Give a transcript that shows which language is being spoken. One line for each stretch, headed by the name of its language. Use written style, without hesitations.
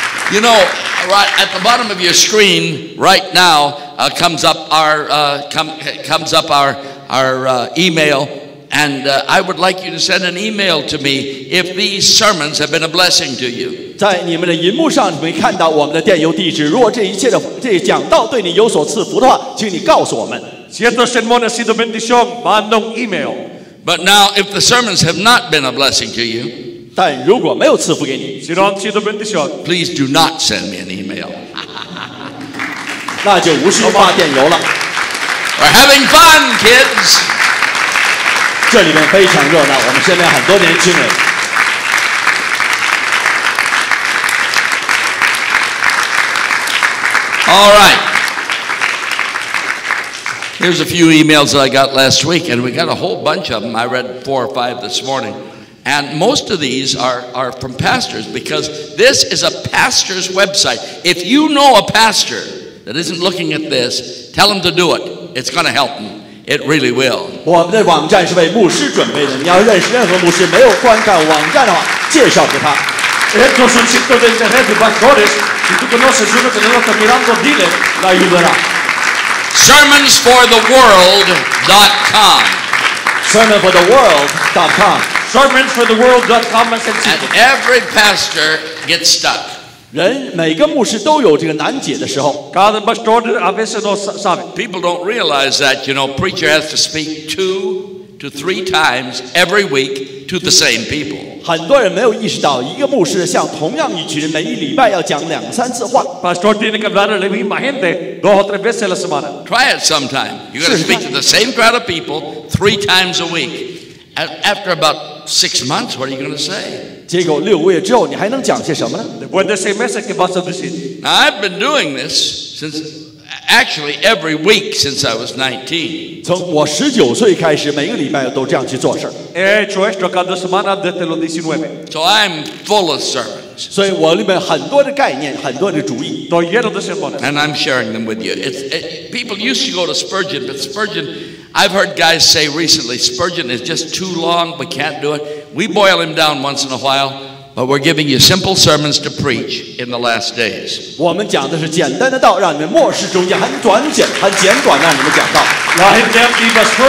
English: You know, right at the bottom of your screen right now comes up our email, and I would like you to send an email to me if these sermons have been a blessing to you.
Chinese: 在你们的荧幕上，你们看到我们的电邮地址。如果这一切的这讲道对你有所赐福的话，请你告诉我们。
Spanish: Si estos sermones han sido bendición, manda un email.
English: But now, if the sermons have not been a blessing to you.
Chinese: 但如果没有赐福给你
Spanish: si no han sido bendición,
English: please do not send me an email.
Chinese: 那就无需发电邮了。
English: We're having fun, kids.
Chinese: 这里面非常热闹，我们身边很多年轻人。
English: All right. Here's a few emails that I got last week, and we got a whole bunch of them. I read four or five this morning. And most of these are from pastors, because this is a pastor's website. If you know a pastor that isn't looking at this, tell him to do it. It's going to help him. It really will.
Chinese: 我们的网站是为牧师准备的。你要认识任何牧师没有观看网站的话，介绍给他。
Spanish: Estos son sitios de internet y pastores. Si tú conoces uno que no lo está mirando, dile, le ayudará.
English: SermonsForTheWorld.com. SermonForTheWorld.com. SermonsForTheWorld.com. And every pastor gets stuck.
Chinese: 人每个牧师都有这个难解的时候。
Spanish: Cada pastor a veces no sabe.
English: People don't realize that, you know, preacher has to speak 2 to 3 times every week to the same people.
Chinese: 很多人没有意识到，一个牧师像同样一群人，每一礼拜要讲两三次话。
Spanish: Pastor tiene que hablar a la misma gente dos o tres veces a la semana.
English: Try it sometime. You got to speak to the same crowd of people 3 times a week. After about 6 months, what are you going to say?
Chinese: 结果六个月之后，你还能讲些什么呢？
Spanish: Después de 6 meses, ¿qué vas a decir?
English: Now, I've been doing this since. Actually, every week since I was 19.
Chinese: 从我十九岁开始，每个礼拜都这样去做事。
Spanish: He hecho esto cada semana desde los 19.
English: So I'm full of sermons.
Chinese: 所以我里面很多的概念，很多的主意。
Spanish: Estoy lleno de sermones.
English: And I'm sharing them with you. People used to go to Spurgeon, but Spurgeon, I've heard guys say recently, Spurgeon is just too long. We can't do it. We boil him down once in a while. But we're giving you simple sermons to preach in the last days.
Chinese: 我们讲的是简单的道，让你们末世中间很短简、很简短，让你们讲道。